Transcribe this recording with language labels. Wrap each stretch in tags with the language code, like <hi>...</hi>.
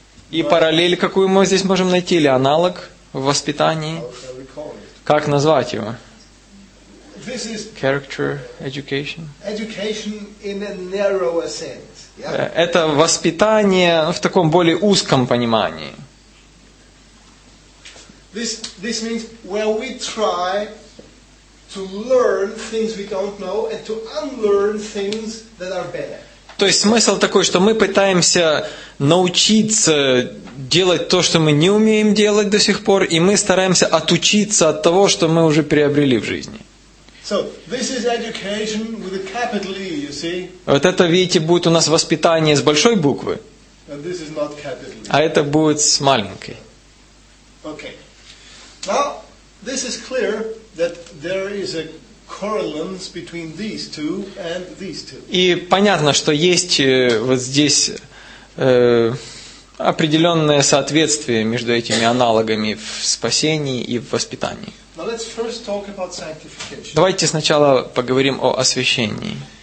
<ru>И параллель, какую мы здесь можем найти, или аналог в воспитании? Как назвать его?</ru> <en>This is character education. Education in a narrower sense. Yeah?</en> <ru>Это воспитание в таком более узком понимании.</ru> <en>This means where we try to learn things we don't know and to unlearn things that are bad.</en> <ru>То есть смысл такой, что мы пытаемся научиться делать то, что мы не умеем делать до сих пор, и мы стараемся отучиться от того, что мы уже приобрели в жизни.</ru> <en>So, this is education with a capital E, you see?</en> <ru>Вот это, видите, будет у нас воспитание с большой буквы,</ru> <en>and this is not capital E.</en> <ru>А это будет с маленькой.</ru> <en>Okay. Now, this is clear that there is a correlance between these two and these two.</en> <ru>И понятно, что есть вот здесь определенное соответствие между этими аналогами в спасении и в воспитании.</ru> <en>Now let's first talk about sanctification.</en> <ru>Давайте сначала поговорим о освящении.</ru>